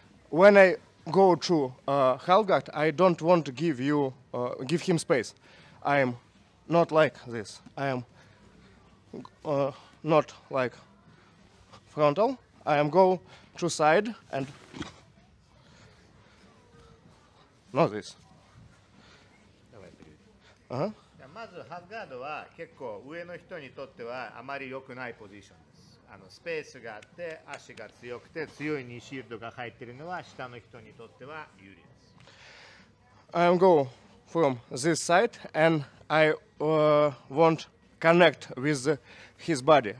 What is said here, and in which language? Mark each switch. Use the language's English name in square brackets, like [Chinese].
[English] When I go through half guard, I don't want to give you give him space. I am not like this. I am not like frontal. I am go to side and not this. [Japanese] まずハフガードは結構上の人にとってはあまり良くないポジションです。あのスペースがあって足が強くて強い2シールドが入っているのは下の人にとっては有利です。 [English] I go from this side and I want connect with his body.